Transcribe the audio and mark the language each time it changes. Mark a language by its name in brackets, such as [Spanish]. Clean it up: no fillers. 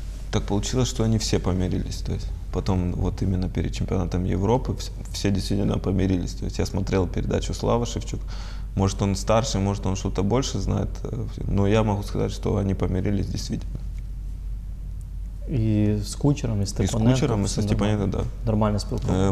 [Ukrainian] Так вийшло, що вони всі помирились. Тобто, потім, от іменно перед чемпіонатом Європи, всі дійсно помирились. Тобто, [Russian] я смотрел передачу Слава Шевчук. [Ukrainian] Може, він старший, може, він щось більше знає. Але я можу сказати, що вони помирились дійсно. І з Кучером, і з Степаненком. І з Кучером, і з Степаненком, так. Нормально спілкувалися.